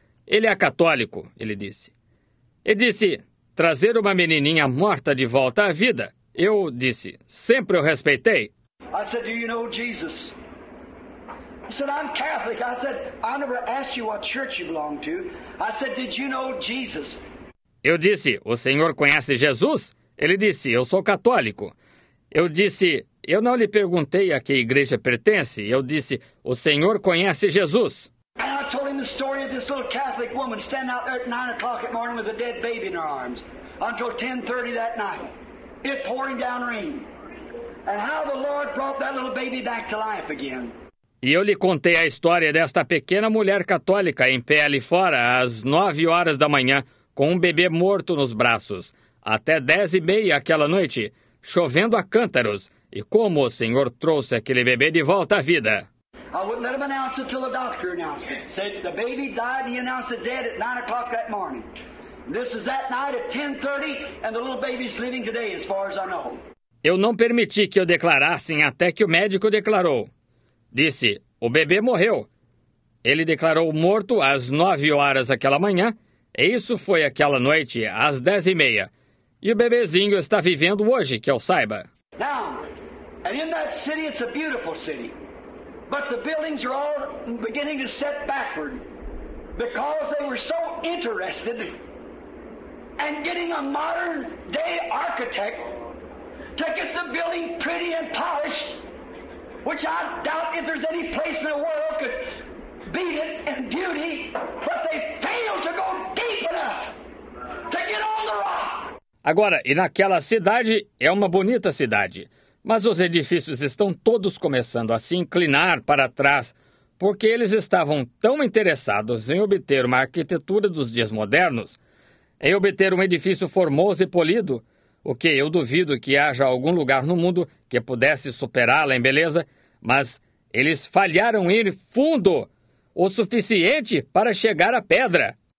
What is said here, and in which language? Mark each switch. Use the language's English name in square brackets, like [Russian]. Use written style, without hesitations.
[Portuguese] Ele é católico, ele disse. E disse, trazer uma menininha morta de volta à vida. Eu disse, sempre o respeitei. [English] I said, do you know Jesus? He said, I'm Catholic. I said, I never asked you what church you belong to. I said, did you know Jesus? [Portuguese] Eu disse, o senhor conhece Jesus? Ele disse, eu sou católico. Eu disse, eu não lhe perguntei a que igreja pertence. Eu disse, o senhor conhece Jesus? [English] And I told him the story of this little Catholic woman standing out there at 9 o'clock at morning with a dead baby in her arms. until 10:30 that night. It pouring down rain. And how the Lord brought that little baby back to life again. [Portuguese] E eu lhe contei a história desta pequena mulher católica em pé ali fora às 9 horas da manhã, com um bebê morto nos braços. Até 10:30 aquela noite, chovendo a cântaros, e como o Senhor trouxe aquele bebê de volta à vida. [English] I wouldn't let him announce it until the doctor announced it. Said the baby died, he announced it dead at 9 o'clock that morning. This is that night at 10:30, and the little baby's living today, as far as I know. [Portuguese] Eu não permiti que o declarassem até que o médico declarou. Disse, o bebê morreu. Ele declarou morto às 9 horas aquela manhã, e isso foi aquela noite, às 10:30. E o bebezinho está vivendo hoje, que eu saiba. [English] Now, and in that city, it's a beautiful city. But the buildings are all beginning to set backward because they were so interested in getting a modern day architect to get the building pretty and polished, which I doubt if there's any place in the world could beat it in beauty, but they failed to go deep enough to get on the rock. [Portuguese] Agora, e naquela cidade, é uma bonita cidade. Mas os edifícios estão todos começando a se inclinar para trás, porque eles estavam tão interessados em obter uma arquitetura dos dias modernos, em obter um edifício formoso e polido, o que eu duvido que haja algum lugar no mundo que pudesse superá-la em beleza, mas eles falharam ir fundo o suficiente para chegar à pedra.